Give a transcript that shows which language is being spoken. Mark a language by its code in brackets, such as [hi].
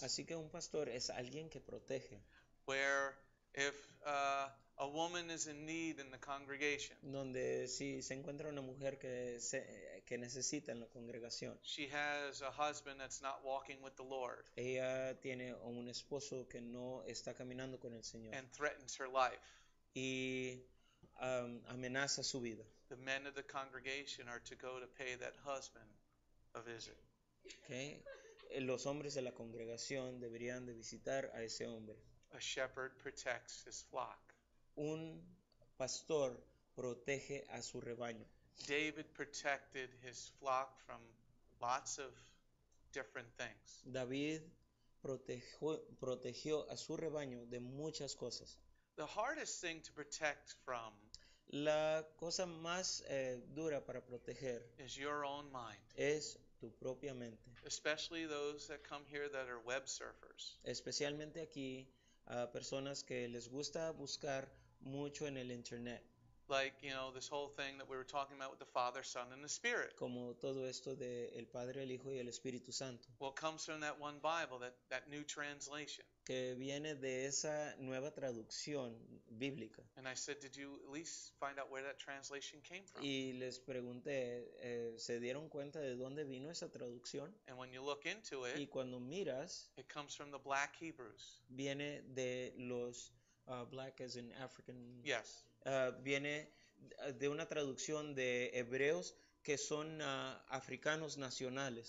[es] Así que un pastor es alguien que protege. [en] Where if a woman is in need in the congregation. [es] Donde si se encuentra una mujer que necesita en la congregación. [en] She has a husband that's not walking with the Lord. [es] Ella tiene un esposo que no está caminando con el Señor. [en] And threatens her life. [es] Y amenaza su vida. [en] The men of the congregation are to go to pay that husband a visit. Okay. [es] Los hombres de la congregación deberían de visitar a ese hombre. [en] A shepherd protects his flock. [es] Un pastor protege a su rebaño. [en] David protected his flock from lots of different things. [es] David protegió a su rebaño de muchas cosas. [en] The hardest thing to protect from [es] la cosa más dura para proteger [en] is your own mind. [es] Es tu propia mente. [en] Especially those that come here that are web surfers. [es] Especialmente aquí a personas que les gusta buscar mucho en el internet. [en] Like, you know, this whole thing that we were talking about with the Father, Son, and the Spirit. [es] Como todo esto de el Padre, el Hijo y el Espíritu Santo. [en] Well, comes from that one Bible, that new translation. [es] Que viene de esa nueva traducción bíblica. [en] And I said, did you at least find out where that translation came from? [es] Y les pregunté, ¿se dieron cuenta de dónde vino esa traducción? [en] And when you look into it, [es] y cuando miras, [en] it comes from the Black Hebrews. [es] Viene de los [en] Black as in African. Yes. [es] Viene de una traducción de hebreos que son africanos nacionales.